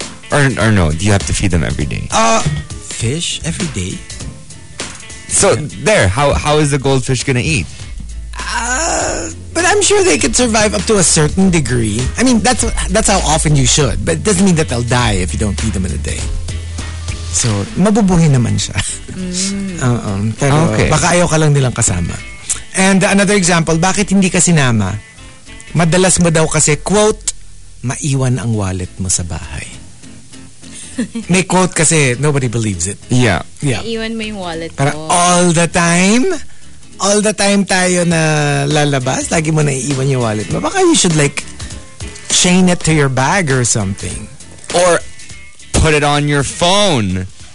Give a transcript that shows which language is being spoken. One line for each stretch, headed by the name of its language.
English: Or no, do you have to feed them every day? Fish every day? So yeah. There, how is the goldfish gonna eat? But I'm sure they could survive up to a certain degree. I mean, that's how often you should. But it doesn't mean that they'll die if you don't feed them in a day.
Filipino: So, mabubuhay naman siya. Pero
English: okay.
Filipino: Baka ayaw ka lang nilang kasama.
English: And another example,
Filipino: bakit hindi ka sinama? Madalas mo daw kasi, quote, maiwan ang wallet mo sa bahay. May quote kasi,
English: nobody believes it. Yeah. Yeah.
Filipino: Maiwan mo yung wallet mo. Para
English: all the time... All the time
Filipino: tayo na lalabas, lagi mo na iiwan yung wallet mo. Baka
English: you should like chain it to your bag or something. Or put it on your phone.